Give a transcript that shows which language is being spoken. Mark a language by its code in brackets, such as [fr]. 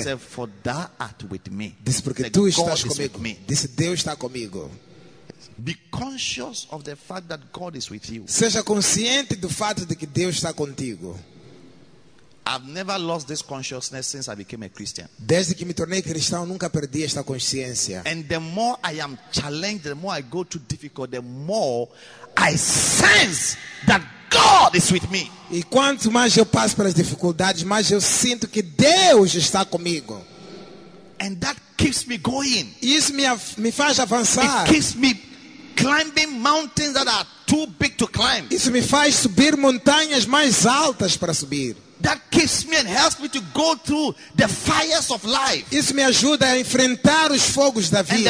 [en] Said, for thou art with me. [pt] Disse porque [en] said, [pt] tu estás comigo. Disse Deus está comigo. [en] Be conscious of the fact that God is with you. [pt] Seja consciente do fato de que Deus está contigo. [en] I've never lost this consciousness since I became a Christian. [pt] Desde que me tornei cristão, nunca perdi esta consciência. [en] And the more I am challenged, the more I go to difficult, the more I sense that God is with me. [pt] E quanto mais eu passo pelas dificuldades, mais eu sinto que Deus está comigo. [en] And that keeps me going. [pt] Isso me faz avançar. [en] It keeps me climbing mountains that are too big to climb. [pt] Isso me faz subir montanhas mais altas para subir. [en] That keeps me and helps me to go through the fires of life. [pt] Isso me ajuda a enfrentar os fogos da vida.